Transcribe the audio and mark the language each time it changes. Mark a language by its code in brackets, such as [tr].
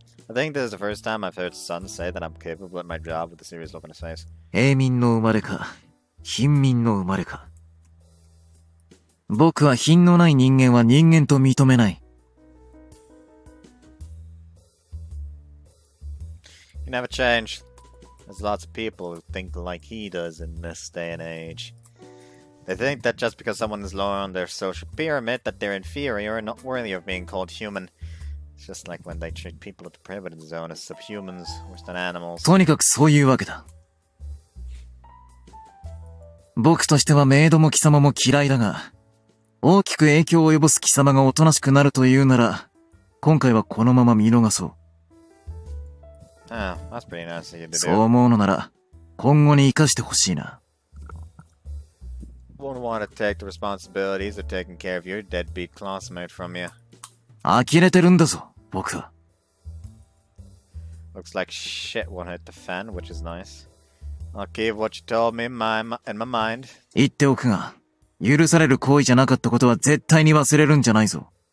[en] I think this is the first time I've heard Sun say that I'm capable at my job with a serious look on his face. [ja] 平民の生まれか、貧民の生まれか。僕は品のない人間は人間と認めない。 [en] You never change. There's lots of people who think like he does in this day and age. They think that just because someone is lower on their social pyramid that they're inferior and not worthy of being called human. It's just like when they treat people at the primitive zone as subhumans, worse than animals. [ja] とにかくそういうわけだ。僕としてはメイドも貴様も嫌いだが、 大きく影響を及ぼす貴様がおとなしくなるというなら、今回はこのまま見逃そう。 [en] Oh, that's pretty nice of you to do. [ja] そう思うのなら、今後に生かしてほしいな。 [en] Wouldn't want to take the responsibilities of taking care of your deadbeat classmate from you. [ja] 呆れてるんだぞ、僕は。 [en] Looks like shit won't hit the fan, which is nice. I'll keep what you told me in my mind. [ja] 言っておくが。許される行為じゃなかったことは絶対に忘れるんじゃないぞ。